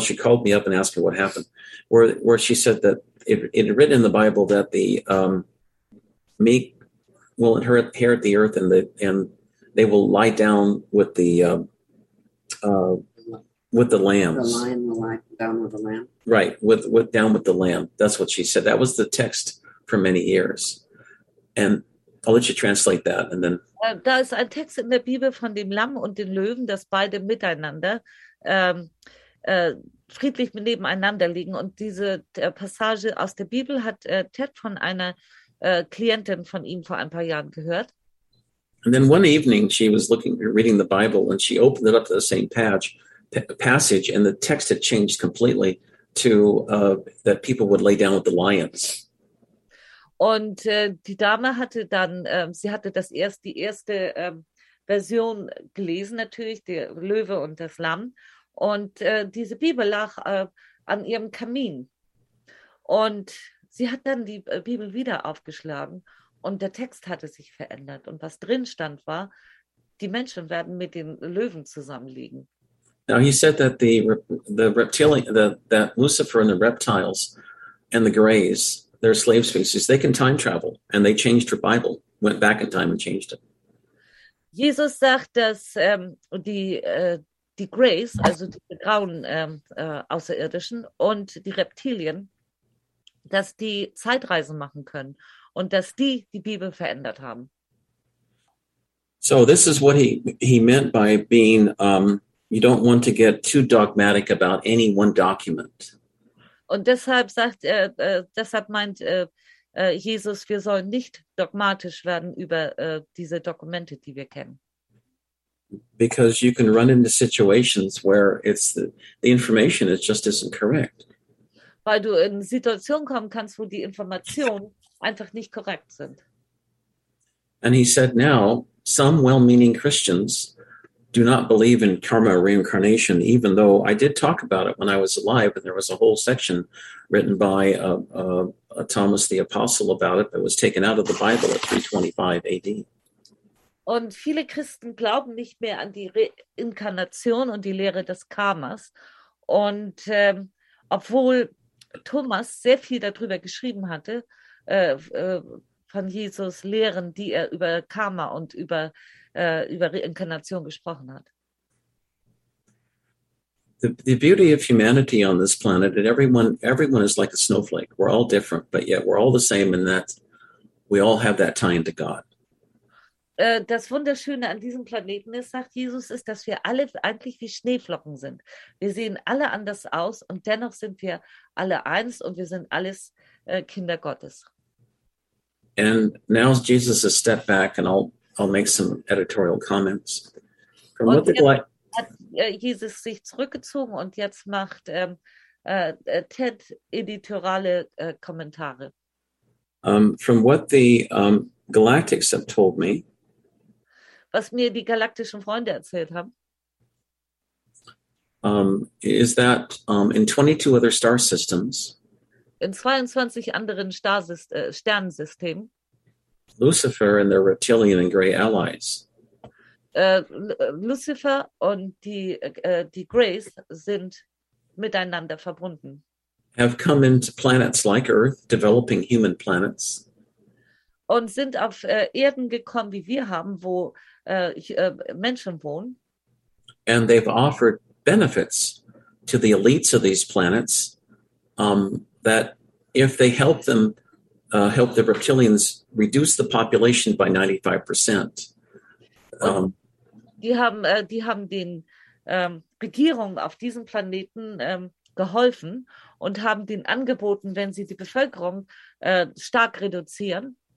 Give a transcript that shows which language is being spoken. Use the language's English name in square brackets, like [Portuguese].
[English] She called me up and asked me what happened, where she said that it had written in the Bible that the meek will inherit the earth, and they will lie down with the with the lambs. The lion will lie down with the lamb. Right, with down with the lamb. That's what she said. That was the text for many years. And I'll let you translate that, and then. [German] Da ist ein Text in der Bibel von dem Lamm und den Löwen, dass beide miteinander friedlich nebeneinander liegen. Und diese Passage aus der Bibel hat Ted von einer Klientin von ihm vor ein paar Jahren gehört. [English] And then one evening she was looking, reading the Bible, and she opened it up to the same passage, and the text had changed completely to that people would lay down with the lions. [German] Und die Dame hatte dann, sie hatte die erste Version gelesen, natürlich, der Löwe und das Lamm. Und diese Bibel lag an ihrem Kamin. Und sie hat dann die Bibel wieder aufgeschlagen und der Text hatte sich verändert. Und was drin stand war, die Menschen werden mit den Löwen zusammenliegen. [English] Now he said that the reptilian, that Lucifer and the reptiles and the greys, their slave species, they can time travel, and they changed her Bible, went back in time and changed it. [German] Jesus sagt, dass die Greys, also die grauen Außerirdischen und die Reptilien, dass die Zeitreisen machen können und dass die Bibel verändert haben. [English] So this is what he meant by being, you don't want to get too dogmatic about any one document. [German] Und deshalb sagt er, deshalb meint Jesus, wir sollen nicht dogmatisch werden über diese Dokumente, die wir kennen. [English] Because you can run into situations where it's the information is just isn't correct. [German] Weil du in Situationen kommen kannst, wo die Informationen einfach nicht korrekt sind. [English] And he said, now some well-meaning Christians do not believe in karma or reincarnation, even though I did talk about it when I was alive, and there was a whole section written by Thomas the Apostle about it that was taken out of the Bible at 325 AD. [German] Und viele Christen glauben nicht mehr an die Reinkarnation und die Lehre des Karmas. Und obwohl Thomas sehr viel darüber geschrieben hatte, von Jesus Lehren, die er über Karma und über Reinkarnation gesprochen hat. [English] The beauty of humanity on this planet, and everyone is like a snowflake. We're all different, but yet we're all the same in that we all have that tie into God. [German] Das Wunderschöne an diesem Planeten ist, sagt Jesus, ist, dass wir alle eigentlich wie Schneeflocken sind. Wir sehen alle anders aus und dennoch sind wir alle eins und wir sind alles Kinder Gottes. [English] And now Jesus has stepped back and I'll make some editorial comments. From what the light [German] hat Jesus sich zurückgezogen und jetzt macht Ted editoriale Kommentare. [English] From what the Galactics have told me. [German] Was mir die galaktischen Freunde erzählt haben. [English] Is that in 22 other star systems. [German] In 22 anderen Sternsystemen. [English] Lucifer and their reptilian and gray allies. [German] Lucifer und die Greys sind miteinander verbunden. [English] Have come into planets like Earth, developing human planets. [German] Und sind auf Erden gekommen, wie wir haben, wo Menschen wohnen. [English] And they've offered benefits to the elites of these planets, that if they help them, help the reptilians reduce the population by 95%. [German] Die haben den Regierungen auf diesem Planeten geholfen und haben denen angeboten, wenn sie die Bevölkerung stark reduzieren.